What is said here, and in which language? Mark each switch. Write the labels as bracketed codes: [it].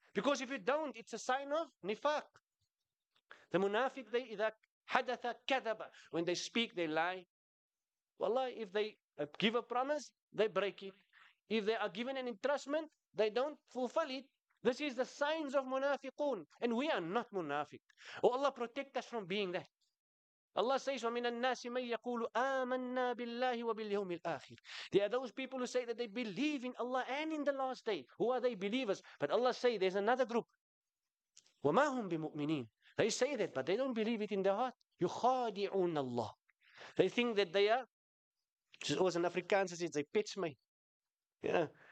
[en] Because if you don't, it's a sign of nifaq. The munafiq, they [ar] idha hadatha kadaba. [en] When they speak, they lie. Wallah, if they give a promise, they break it. If they are given an entrustment, they don't fulfill it. This is the signs of munafiqun. And we are not munafiq. Oh Allah, protect us from being that. Allah says, [ar] وَمِنَ النَّاسِ مَنْ يَقُولُ آمَنَّا بِاللَّهِ وَبِالْيَوْمِ الْآخِرِ. [en] There are those people who say that they believe in Allah and in the last day. Who are they? Believers. But Allah says, there's another group. [ar] وَمَا هُمْ بِمُؤْمِنِينَ. [en] They say that, but they don't believe it in their heart. [ar] يُخَادِعُونَ اللَّهِ. [en] They think that they are, which is always an Afrikaans, says they pitch me. Yeah.